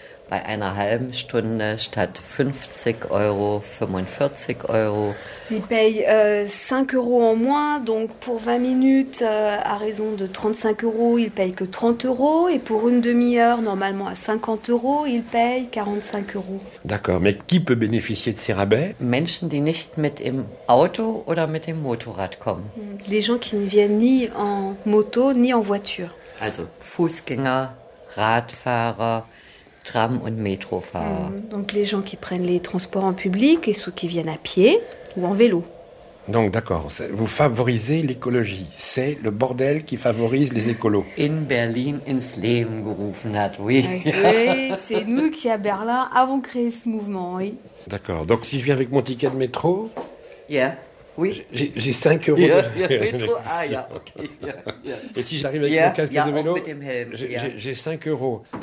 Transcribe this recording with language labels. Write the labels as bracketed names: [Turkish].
[German] Bei einer halben Stunde statt 50 Euro, 45 Euro. [French] Il paye 5 euros en moins, donc pour 20 minutes, à raison de 35 euros, il paye que 30 euros. Et pour une demi-heure, normalement à 50 euros, il paye 45 euros. D'accord, mais qui peut bénéficier de ces rabais? [German] Menschen, die nicht mit dem Auto oder mit dem Motorrad kommen. [French] Les gens qui ne viennent ni en moto, ni en voiture. [German] Also Fußgänger, Radfahrer... Tram und Metrofahrer. [French] Donc les gens qui prennent les transports en public et ceux qui viennent à pied ou en vélo. Donc d'accord, vous favorisez l'écologie. C'est le bordel qui favorise les écolos. [German] In Berlin ins Leben gerufen hat, oui. [French] Oui, c'est nous qui à Berlin avons créé ce mouvement, oui. D'accord, donc si je viens avec mon ticket de métro. Yeah. Oui. J'ai 5 euros yeah, de yeah, rétro. Ah, yeah, okay. Yeah. Et si j'arrive avec mon casque de vélo, j'ai 5 euros.